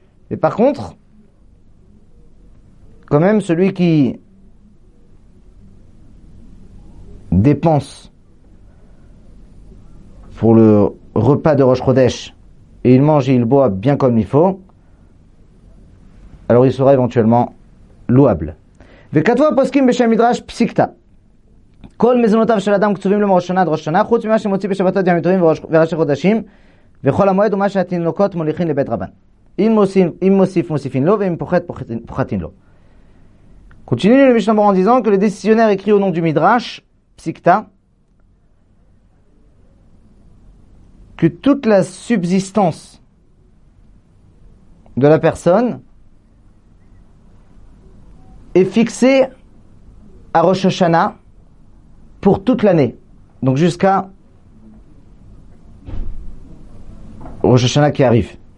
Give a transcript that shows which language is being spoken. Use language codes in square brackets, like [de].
[fr] Mais par contre, quand même, celui qui dépense pour le repas de Rosh Chodesh et il mange et il boit bien comme il faut, alors il sera éventuellement louable. [he] Vekatoa poskim beshem midrash psikta. כל מזונותיו של אדם קצובים למראש שנה עד ראש שנה, חוץ ממה שמוציא בשבתות ימים טובים וראשי חודשים, וכל המועד ומה שהתינוקות מוליכים לבית רבן. אם מוסיף, מוסיפין לו, ואם פוחת, פוחתין לו. [fr] Continue le Mishnah Berurah en disant que le décisionnaire écrit au nom du Midrash, Psikta, que toute la subsistance de la personne est fixée à Rosh Hashanah pour toute l'année, donc jusqu'à Rosh Hashanah qui arrive.